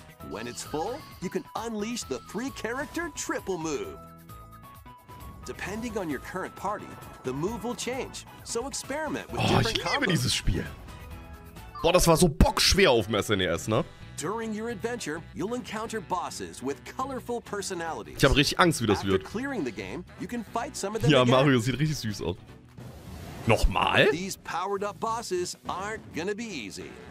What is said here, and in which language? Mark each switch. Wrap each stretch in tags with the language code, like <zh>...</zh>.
<en>When it's full, you can unleash the three-character triple move. Depending on your current party, the move will change. So experiment with different combos.</en> <de>Oh, ich liebe dieses Spiel. Boah, das war so bockschwer auf dem SNES, ne?</de> <en>During your adventure, you'll encounter bosses with colorful personalities.</en> <de>Ich habe richtig Angst, wie das wird.</de> <en>After clearing the game, you can fight some of them.</en> <de>Ja, Mario sieht richtig süß aus. Nochmal?</de> <en>These powered up bosses aren't gonna be easy.</en>